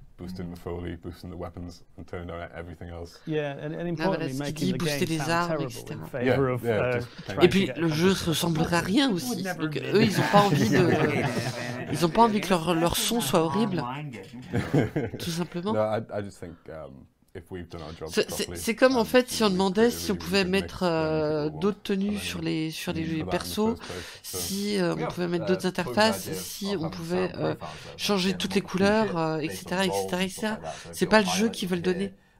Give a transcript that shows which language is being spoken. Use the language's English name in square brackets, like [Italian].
[English] Boosting the foley, boosting the weapons, and turning down everything else. Yeah, and importantly, making the game sound terrible in favor of. [French] Et puis le jeu ne ressemblerait à rien aussi. Donc eux, ils n'ont pas envie de. Ils n'ont pas envie que leur son soit horrible. Tout simplement. [English] No, I just think if we've done our job properly. [French] C'est comme en fait si on demandait si on pouvait mettre d'autres tenues sur les jeux persos, si on pouvait mettre d'autres interfaces, si on pouvait changer toutes les couleurs, etc. C'est pas le jeu qu'ils veulent donner.